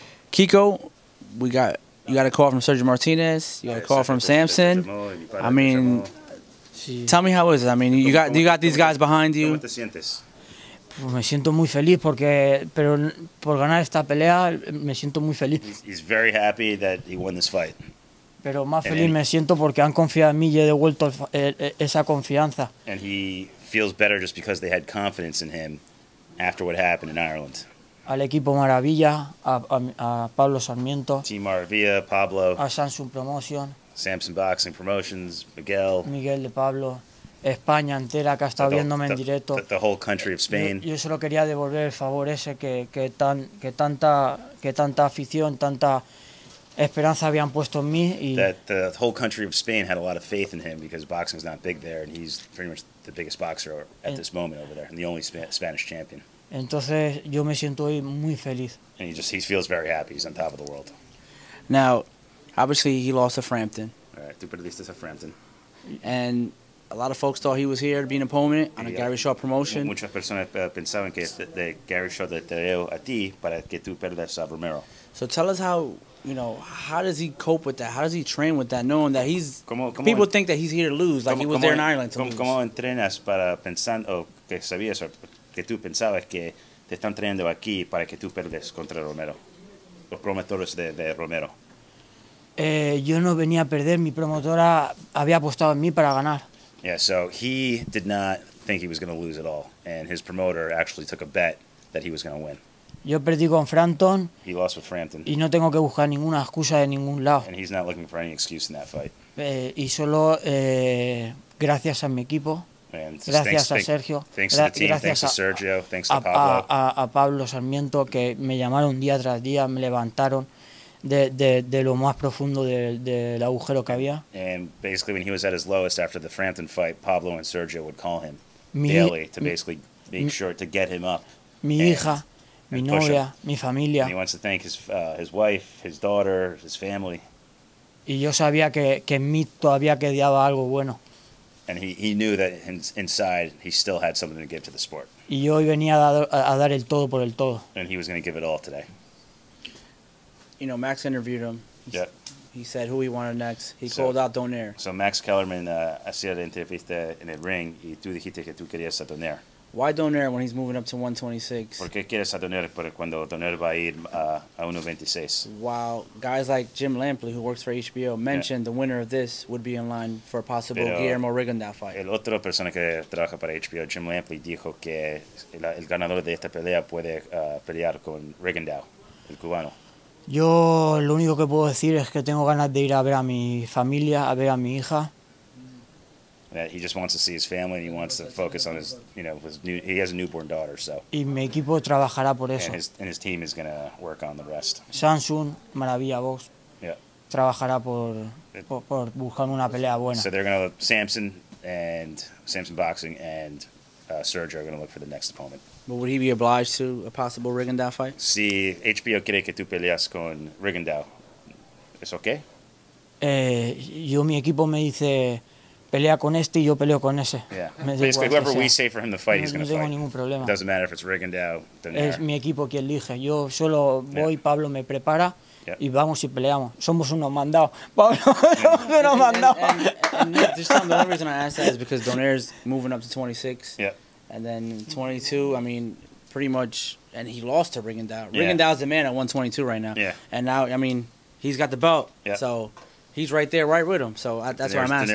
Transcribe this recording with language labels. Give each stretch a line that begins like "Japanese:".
English: Kiko, we got you got a call from Sergio Martinez. You got a call from Samson. I mean, tell me how it is. I mean, you got these guys behind you.
Spanish: Me siento muy feliz porque pero por ganar esta pelea me siento muy feliz.
English: He's very happy that he won this fight.
Spanish: Pero más feliz me siento porque han confiado en mí y he devuelto esa confianza.
English: And he feels better just because they had confidence in him after what happened in Ireland.
Spanish: Al equipo Maravilla, a Pablo Sarmiento.
English: Team Maravilla, Pablo.
Spanish: A Samson Promotion.
English: Samson Boxing Promotions, Miguel.
Spanish: Miguel de Pablo. España entera que ha estado viéndome en directo.
English: The whole country of Spain.
Spanish: Yo solo quería devolver el favor ese que tanta afición, tanta esperanza habían puesto en mí. Y
English: that the whole country of Spain had a lot of faith in him because boxing is not big there and he's pretty much the biggest boxer at this moment over there and the only Spanish champion.
Spanish: Entonces yo me siento hoy muy feliz.
English: And he feels very happy. He's on top of the world. Now, obviously he lost to Frampton. All right,
Spanish: tú perdiste a Frampton.
English: And a lot of folks thought he was here to be an opponent on a Gary Shaw promotion.
Spanish: Muchas personas pensaban que de Gary Shaw te dio a ti para que tú perdas a Romero.
English: So tell us how does he cope with that? How does he train with that, knowing that he's people think that he's here to lose, like he was there in Ireland to lose.
Spanish: ¿Cómo entrenas para pensando que sabías o que tú pensabas que te están trayendo aquí para que tú perdas contra Romero, los promotores de Romero? Yo no venía a perder. Mi promotora había apostado en mí para ganar.
English: Yeah, so he did not think he was going to lose at all, and his promoter actually took a bet that he was going to win.
Spanish: Yo perdí con Frampton.
English: He lost with Frampton.
Spanish: Y no tengo que buscar ninguna excusa de ningún lado.
English: And he's not looking for any excuse in that fight.
Spanish: Y solo gracias a mi equipo. Gracias a Sergio.
English: Thanks to the team.
Spanish: Gracias
English: thanks to Sergio. Thanks to Pablo.
Spanish: A Pablo Sarmiento que me llamaron día tras día, me levantaron de lo más profundo del agujero que había.
English: And basically, when he was at his lowest after the Frampton fight, Pablo and Sergio would call him daily to basically make sure to get him up.
Spanish: Mi hija, mi novia, mi familia.
English: And he wants to thank his wife, his daughter, his family.
Spanish: Y yo sabía que en mí todavía quedaba algo bueno.
English: And he knew that inside he still had something to give to the sport.
Spanish: Y yo hoy venía a dar el todo por el todo.
English: And he was going to give it all today. You know, Max interviewed him. Yeah. He said who he wanted next. He called out Donaire.
Spanish: So Max Kellerman hacía la entrevista en el ring y tú dijiste que tú querías a Donaire.
English: Why Donaire when he's moving up to 126?
Spanish: Porque quieres a Donaire por cuando Donaire va a ir a 126.
English: Wow. Guys like Jim Lampley, who works for HBO, mentioned the winner of this would be in line for a possible Guillermo Rigondeaux fight.
Spanish: El otro persona que trabaja para HBO, Jim Lampley, dijo que el ganador de esta pelea puede pelear con Rigondeaux, el cubano. Yo lo único que puedo decir es que tengo ganas de ir a ver a mi familia, a ver a mi hija.
English: Yeah, he just wants to see his family and he wants to focus on he has a newborn daughter, so.
Spanish: Y mi equipo trabajará por eso.
English: And his team is going to work on the rest.
Spanish: Samson, Maravilla Box.
English: Yeah.
Spanish: Trabajará por buscar una pelea buena.
English: So they're going to Samson Boxing and Sergio are going to look for the next opponent. But would he be obliged to a possible Rigondeaux fight?
Spanish: Si HBO quiere que tú peleas con Rigondeaux, ¿es okay? Yo mi equipo me dice pelea con este y yo peleo con ese.
English: Yeah. Basically, whoever we say for him to fight, he's going to fight.
Spanish: No tengo ningún problema.
English: Doesn't matter if it's Rigondeaux.
Spanish: Es mi equipo quien elige. Yo solo voy, Pablo me prepara y vamos y peleamos. Somos unos mandados. Pablo, somos unos mandados.
English: The only reason I ask that is because Donaire's moving up to 26. Yeah. And then 22, I mean, pretty much, and he lost to Rigondeaux. Yeah. Rigondeaux's the man at 122 right now. Yeah. And now, I mean, he's got the belt. Yeah. So he's right there, right with him. So that's where I'm asking.